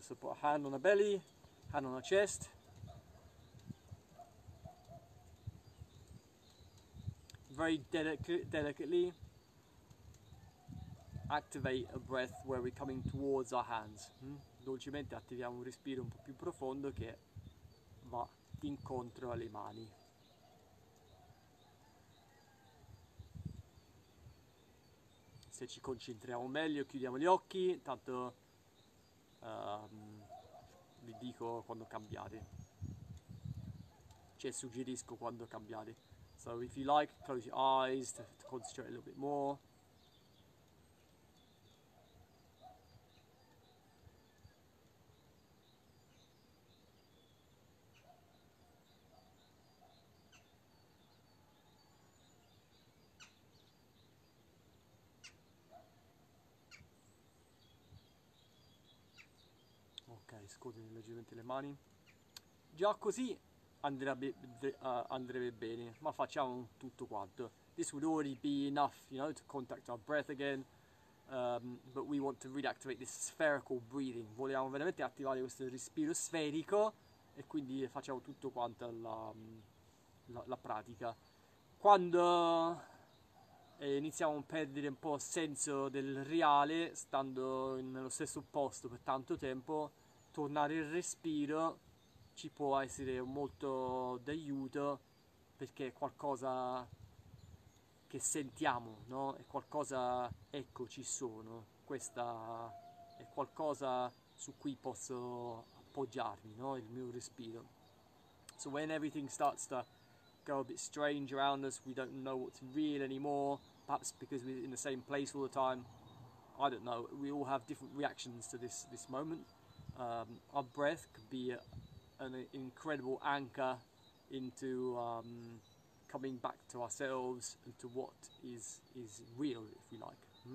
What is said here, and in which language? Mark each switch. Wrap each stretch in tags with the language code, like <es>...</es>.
<en>So put a hand on the belly, hand on the chest. Very delicately. Activate a breath where we're coming towards our hands.</en> <it>Dolcemente attiviamo un respiro un po' più profondo che va incontro alle mani. Se ci concentriamo meglio, chiudiamo gli occhi, intanto vi dico quando cambiate. Cioè, suggerisco quando cambiate.</it> <en>So, if you like, close your eyes to concentrate a little bit more.</en> <it>Scuotere leggermente le mani. Già così andrebbe bene, ma facciamo tutto quanto.</it> <en>This would already be enough, you know, to contact our breath again. But we want to reactivate this spherical breathing.</en> <it>Vogliamo veramente attivare questo respiro sferico e quindi facciamo tutto quanto la pratica. Quando iniziamo a perdere un po' il senso del reale, stando nello stesso posto per tanto tempo, tornare il respiro ci può essere molto d'aiuto perché è qualcosa che sentiamo, no? È qualcosa, ecco, ci sono. Questa è qualcosa su cui posso appoggiarmi, no? Il mio respiro.</it> <en>So when everything starts to go a bit strange around us, we don't know what's real anymore, perhaps because we're in the same place all the time. I don't know. We all have different reactions to this moment. Our breath could be an incredible anchor into coming back to ourselves and to what is real, if we like.</en>